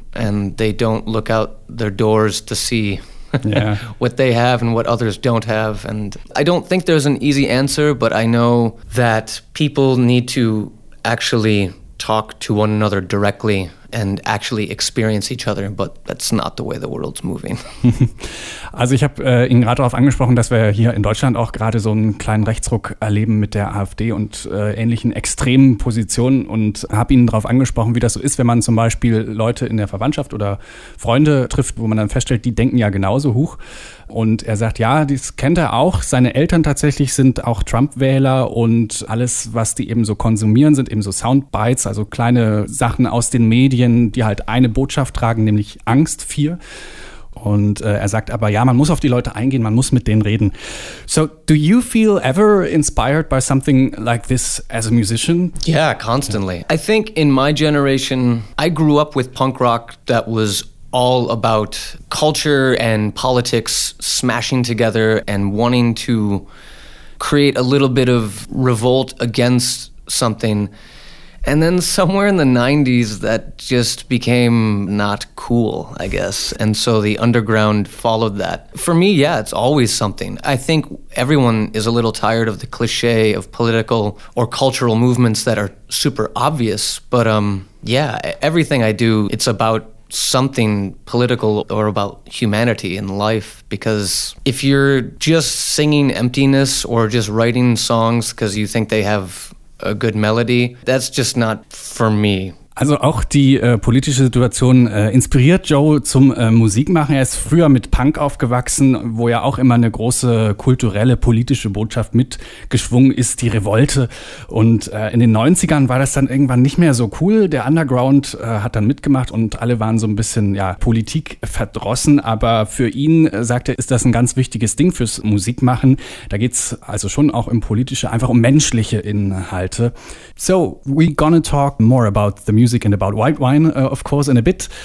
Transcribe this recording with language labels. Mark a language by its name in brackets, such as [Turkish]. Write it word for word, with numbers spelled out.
[English] And they don't look out their doors to see yeah. what they have and what others don't have. And I don't think there's an easy answer, but I know that people need to actually talk to one another directly and actually experience each other, but that's not the way the world's moving. [German] Also ich habe äh, ihn gerade darauf angesprochen, dass wir hier in Deutschland auch gerade so einen kleinen Rechtsruck erleben mit der AfD und äh, ähnlichen extremen Positionen und habe ihn darauf angesprochen, wie das so ist, wenn man zum Beispiel Leute in der Verwandtschaft oder Freunde trifft, wo man dann feststellt, die denken ja genauso hoch. Und er sagt, ja, das kennt er auch. Seine Eltern tatsächlich sind auch Trump-Wähler und alles, was die eben so konsumieren, sind eben so Soundbites, also kleine Sachen aus den Medien, die halt eine Botschaft tragen, nämlich Angst, Fear. Und äh, er sagt aber, ja, man muss auf die Leute eingehen, man muss mit denen reden. [English] So, do you feel ever inspired by something like this as a musician? Yeah, constantly. Yeah. I think in my generation, I grew up with punk rock that was all about culture and politics smashing together and wanting to create a little bit of revolt against something. And then somewhere in the nineties, that just became not cool, I guess. And so the underground followed that. For me, yeah, it's always something. I think everyone is a little tired of the cliche of political or cultural movements that are super obvious. But um, yeah, everything I do, it's about something political or about humanity and life, because if you're just singing emptiness or just writing songs because you think they have a good melody, that's just not for me. [German] Also auch die äh, politische Situation äh, inspiriert Joe zum äh, Musikmachen. Er ist früher mit Punk aufgewachsen, wo ja auch immer eine große kulturelle, politische Botschaft mitgeschwungen ist, die Revolte. Und äh, in den neunzigern war das dann irgendwann nicht mehr so cool. Der Underground äh, hat dann mitgemacht und alle waren so ein bisschen ja Politik verdrossen. Aber für ihn, äh, sagt er, ist das ein ganz wichtiges Ding fürs Musikmachen. Da geht's also schon auch im Politische, einfach um menschliche Inhalte. [English] So, we're gonna talk more about the music. music and about white wine, uh, of course, in a bit.